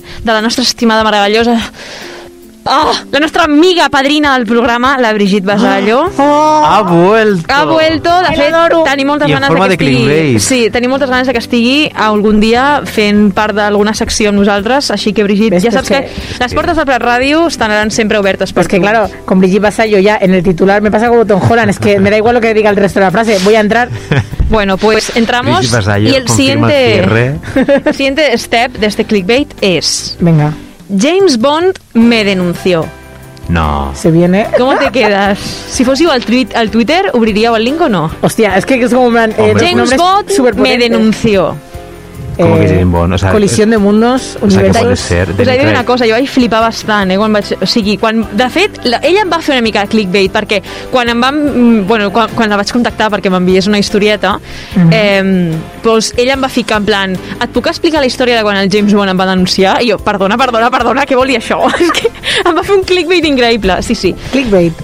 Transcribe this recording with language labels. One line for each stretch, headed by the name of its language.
Catalan: de la nostra estimada, meravellosa... Oh, la nostra amiga padrina del programa, la Brigitte Basallo.
Spanish: Ha vuelto. Ha vuelto.
Catalan: De fet, tenim moltes ganes de que estigui... Sí, tenim moltes ganes de que estigui algun dia fent part d'alguna secció amb nosaltres. Així que, Brigitte, ves, ja saps que les portes del Prat Ràdio estaran sempre obertes per tu.
Spanish: Pues claro, con Brigitte Basallo ya en el titular me pasa como Tom Holland. Es que me da igual lo que diga el resto de la frase. Voy a entrar... Bueno, pues entramos y el siguiente step de este clickbait es... Venga. James Bond me denunció. No. Se viene. ¿Cómo te quedas? Si fuese yo al Twitter, ¿abriría el link o no? Hostia, es que es como un gran... James Bond me denunció. ¿Cómo que James Bond? O sea, colisión de mundos, universos. O sea, ser, de pues ahí una cosa, yo ahí flipa bastante.
Catalan: Quan vaig, o sigui, quan, de fet, ella em va fer una mica de clickbait, perquè quan em van... Bueno, quan la vaig contactar perquè m'envies una historieta, pues ella em va ficar en plan, et puc explicar la història de quan el James Bond em va denunciar? I jo, perdona, què vol dir això? em va fer un clickbait increïble, sí, sí. Clickbait.